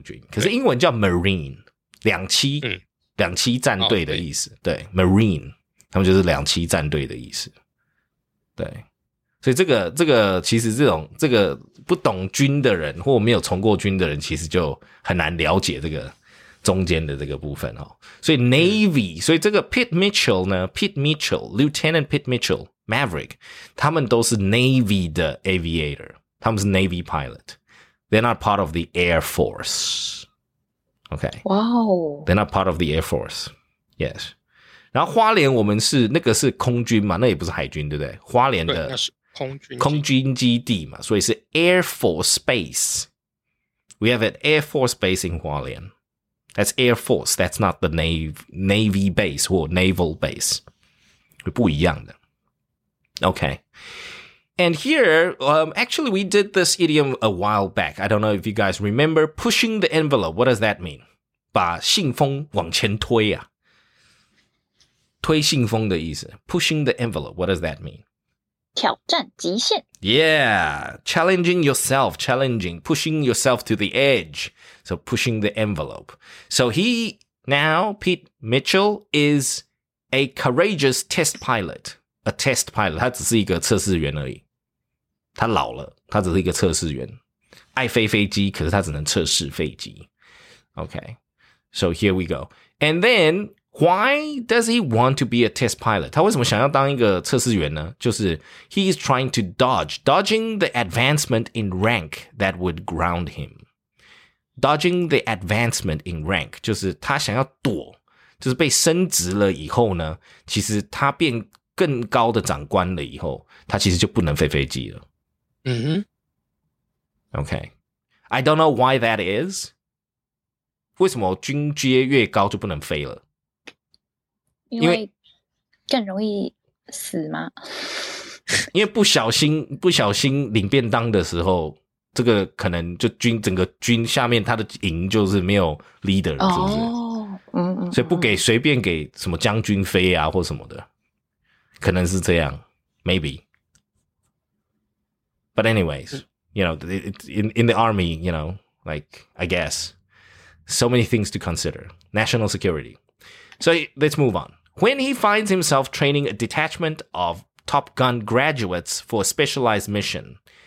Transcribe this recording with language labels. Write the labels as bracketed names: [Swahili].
[Chinese] 可是英文叫 Marine, 两栖, 两栖战队的意思。对, Marine, 他们就是两栖战队的意思。对, 所以这个其实这种不懂军的人, 或没有从过军的人, 其实就很难了解这个中间的这个部分。所以Navy, 所以这个Pete Mitchell呢, Pete Mitchell, Lieutenant Pete Mitchell, Maverick, 他们都是Navy的aviator。 [English] Tom's Navy pilot. They're not part of the Air Force. Okay. Wow. They're not part of the Air Force. Yes. [Chinese] 然后花莲我们是那个是空军嘛，那也不是海军，对不对？花莲的空军基地嘛， 所以是 [English] Air Force Base. We have an Air Force Base in Hualien. That's Air Force. That's not the Navy base or naval base. [Chinese] 不一样的。Okay. [English] And here, actually, we did this idiom a while back. I don't know if you guys remember. Pushing the envelope. What does that mean? [Chinese] 把信封往前推啊。推信封的意思。 [English] Pushing the envelope. What does that mean? [Chinese] 挑战极限。 [English] Yeah, challenging yourself, challenging, pushing yourself to the edge. So pushing the envelope. So he now, Pete Mitchell, is a courageous test pilot. A test pilot. [Chinese] 他只是一个测试员而已。他老了，他只是一个测试员。爱飞飞机，可是他只能测试飞机。 [English] Okay, so here we go. And then, why does he want to be a test pilot? [Chinese] 他为什么想要当一个测试员呢？ [English] 就是 he is trying to dodge, dodging the advancement in rank that would ground him. Dodging the advancement in rank, [Chinese] 就是他想要躲，就是被升职了以后呢，其实他变更高的长官了以后，他其实就不能飞飞机了。嗯哼。 [English] Okay, I don't know why that is. [Chinese] 为什么军阶越高就不能飞了？因为更容易死吗？因为不小心领便当的时候，这个可能就军整个军下面他的营就是没有 leader 了，是不是？哦，嗯嗯，所以不给随便给什么将军飞啊或什么的，可能是这样 ，maybe. [English] But anyways. You know, in the army, you know, like, I guess, so many things to consider. National security. So let's move on. When he finds himself training a detachment of Top Gun graduates for a specialized mission.